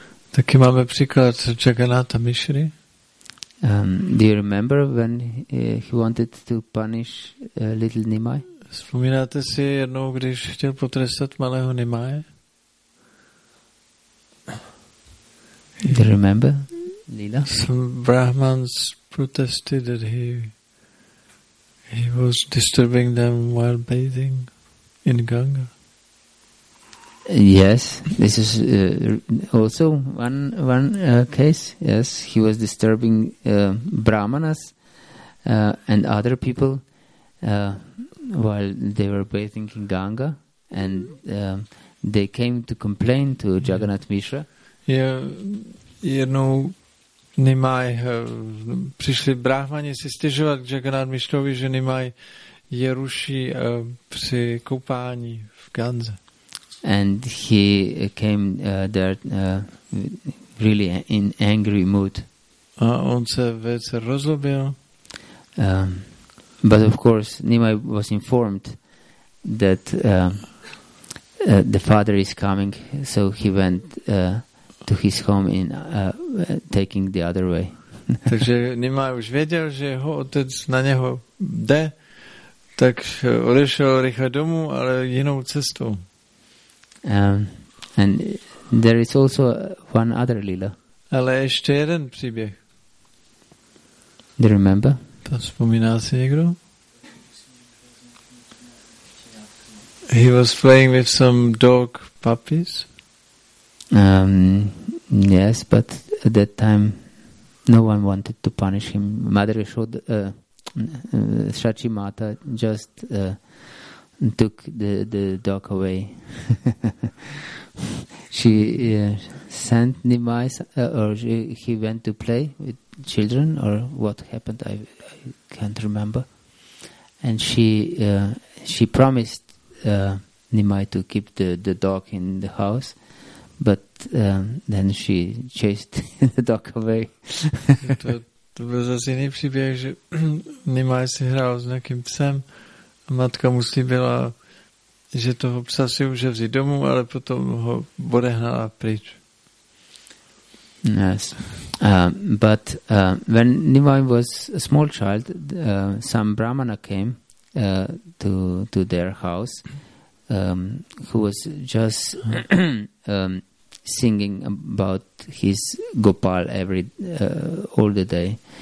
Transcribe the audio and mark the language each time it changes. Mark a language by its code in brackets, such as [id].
[cs] Taky máme příklad Jagannatha Mishry. [en] Do you remember when he wanted to punish little Nimai? [cs] Vzpomínáte si jednou, když chtěl potrestat malého Nimaje? [en] Do you remember, Lila? Some Brahmans protested that he was disturbing them while bathing in Ganga. Yes, this is also one case. Yes, he was disturbing Brahmanas and other people while they were bathing in Ganga, and they came to complain to Jagannath Mishra. Yeah, you know, [cs] Nimai, přišli Brahmani si stěžovat k Jagannath Mishrovi, že Nimai je ruší při koupání v Gange. [en] And he came there really in angry mood. [cs] A on se velice rozlobil. [en] But of course, Nimai was informed that the father is coming, so he went to his home in taking the other way. [cs] Takže Nimai už věděl, že jeho otec na něho jde, tak odešel rychle domů, ale jinou cestou. [en] And there is also one other lila. [cs] Ale ještě jeden příběh. [en] Do you remember? [cs] To vzpomíná si někdo? [en] He was playing with some dog puppies. Yes, but at that time no one wanted to punish him. Mother Yashoda, Shachi Mata just took the dog away. She sent Nimai, or he went to play with children, or what happened, I can't remember. And she promised Nimai to keep the dog in the house, but then she chased the dog away. [cs] To byl zase jiný příběh, že Nimai si hrál s nějakým psem. Matka mu slíbila, že toho psa si může vzít domů, ale potom ho odehnala pryč. [en] Yes. But when Nimai was a small child, some brahmana came to their house, who was just singing about his Gopal every all the day.